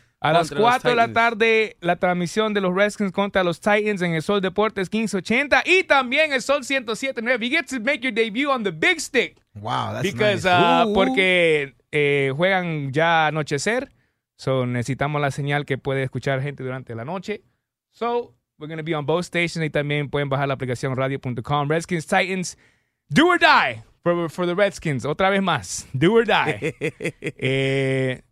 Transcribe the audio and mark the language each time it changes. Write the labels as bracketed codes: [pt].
[es] Este sábado, ¿verdad? A las 4 de la tarde, la transmisión de los Redskins contra los Titans en el Sol Deportes 1580 y también el Sol 107.9. [en] You get to make your debut on the big stick. Wow, that's nice. [es] Porque juegan ya anochecer, [en] so [es] necesitamos la señal que puede escuchar gente durante la noche. [en] So, we're going to be on both stations [es] y también pueden bajar la aplicación radio.com. [en] Redskins Titans, do or die for the Redskins. [es] Otra vez más, [en] do or die.